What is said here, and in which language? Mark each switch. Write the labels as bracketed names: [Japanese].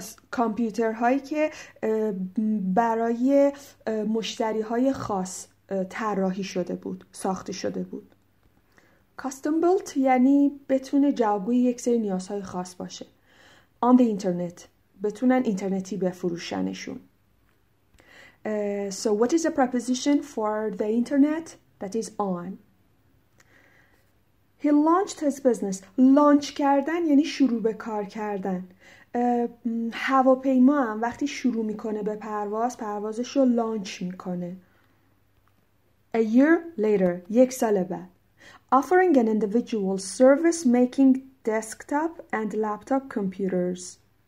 [Persian] کامپیوترهایی که برای مشتریهای خاص طراحی شده بود، ساخته شده بود. کاستم بیلت یعنی بتونه جوابگوی یک سری نیازهای خاص باشه. [English] On the internet، [Persian] بتونن اینترنتی بفروشنشون. [English] So what is the preposition for the internet? That is on. He launched his business. [Persian] Launch کردن یعنی شروع به کار کردن. هواپیما هم وقتی شروع میکنه به پرواز، پروازش رو launch میکنه. [English] A year later، [Persian] یک سال بعد. [English] Offering an individual service making desktop and laptop computers.